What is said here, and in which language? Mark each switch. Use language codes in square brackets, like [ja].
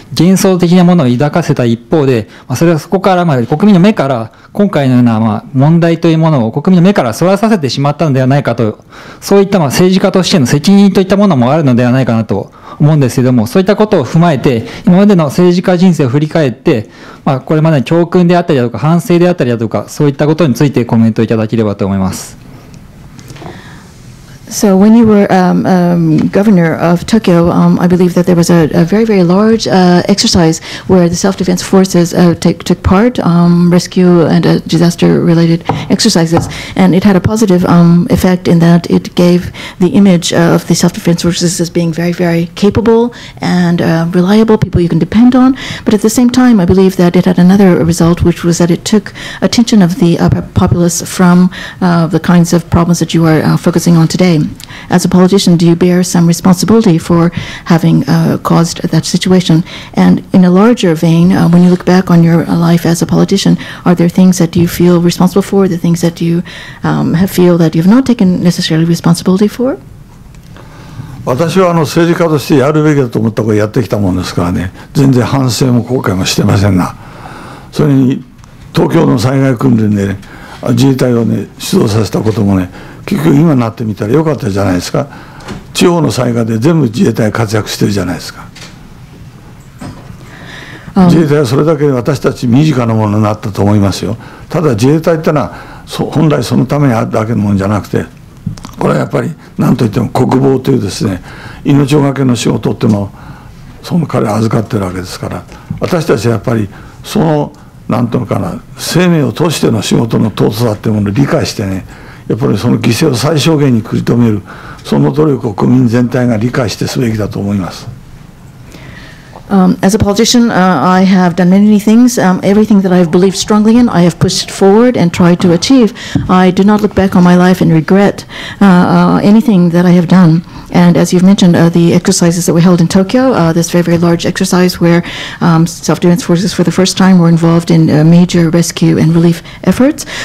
[ja] 幻想的なものを抱かせた一方で、まあ、それはそこから、まあ、国民の目から今回のようなまあ問題というものを国民の目からそらさせてしまったのではないかと、そういったまあ政治家としての責任といったものもあるのではないかなと思うんですけれども、そういったことを踏まえて、今までの政治家人生を振り返って、まあ、これまでの教訓であったりだとか、反省であったりだとか、そういったことについてコメントいただければと思います。 [en] So when you were governor of Tokyo, I believe that there was a very, very large exercise where the self-defense forces took part, rescue and disaster-related exercises. And it had a positive effect in that it gave the image of the self-defense forces as being very, very capable and reliable, people you can depend on. But at the same time, I believe that it had another result, which was that it took attention of the populace from the kinds of problems that you are focusing on today. As a politician, do you bear some responsibility for having caused that situation? And in a larger vein, when you look back on your life as a politician, are there things that you feel responsible for, the things that you feel that you've not taken necessarily responsibility for? [ja] 私はあの政治家としてやるべきだと思ったことをやってきたもんですからね、全然反省も後悔もしてませんな。それに東京の災害訓練で、ね、自衛隊を、ね、指導させたこともね、結局今なってみたらよかったじゃないですか。地方の災害で全部自衛隊活躍してるじゃないですか。自衛隊はそれだけで私たち身近なものになったと思いますよ。ただ自衛隊ってのは本来そのためにあるだけのものじゃなくて、これはやっぱり何といっても国防というですね、命を懸けの仕事っていうのをその彼は預かってるわけですから、私たちはやっぱりその何ていうのかな、生命を通しての仕事の尊さっていうものを理解してね、やっぱりその犠牲を最小限に食い止める、その努力を国民全体が理解してすべきだと思います。 [en] As a politician, I have done many things. Everything that I've believed strongly in, I have pushed forward and tried to achieve. I do not look back on my life and regret anything that I have done. And as you've mentioned, the exercises that we held in Tokyo, this very, very large exercise where self-defense forces for the first time were involved in major rescue and relief efforts.